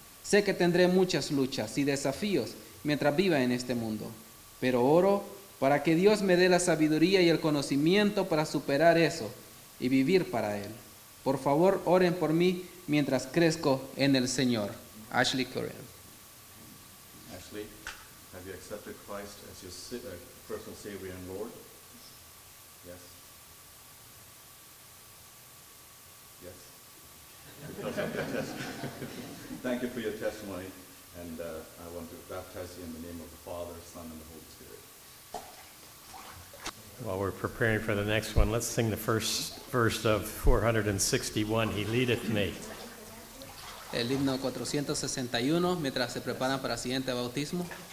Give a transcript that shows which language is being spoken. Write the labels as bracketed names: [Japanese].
[Spanish] Sé que tendré muchas luchas y desafíos mientras viva en este mundo, pero oro para que Dios me dé la sabiduría y el conocimiento para superar eso y vivir para Él. Por favor, oren por mí mientras crezco en el Señor. Ashley Curran. [English] Ashley, have you accepted Christ as your personal Savior and Lord? Yes. Yes. Because of your testimony. Thank you for your testimony, and I want to baptize you in the name of the Father, Son, and the Holy Spirit. While we're preparing for the next one, let's sing the first verse of 461, He Leadeth Me. [Spanish] El himno 461, mientras se preparan para el siguiente bautismo.